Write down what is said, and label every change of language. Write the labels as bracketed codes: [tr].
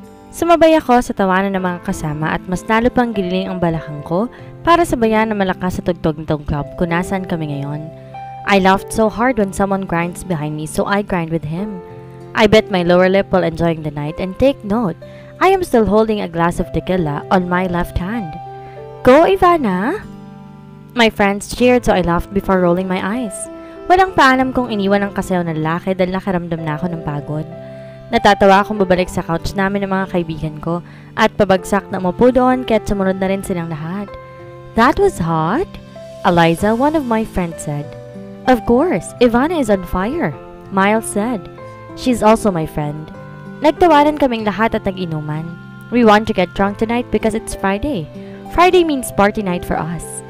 [tl] Sumabay ako sa tawanan ng mga kasama at mas lalo pang gililing ang balakan ko para sabayan na malakas sa tugtog ng tugtog kung nasaan kami ngayon. [en] I laughed so hard when someone grinds behind me, so I grind with him. I bet my lower lip while enjoying the night, and take note, I am still holding a glass of tequila on my left hand. Go, Ivana! My friends cheered, so I laughed before rolling my eyes. [tl] Walang paalam kung iniwan ang kasayaw ng lalaki dahil nakaramdam na ako ng pagod. Natatawa akong babalik sa couch namin ng mga kaibigan ko at pabagsak na umupo doon kaya't sumunod na rin silang lahat. [en] That was hot, Eliza, one of my friends said. Of course, Ivana is on fire, Miles said. She's also my friend. [tl] Nagtawanan kaming lahat at nag-inuman. [en] We want to get drunk tonight because it's Friday. Friday means party night for us.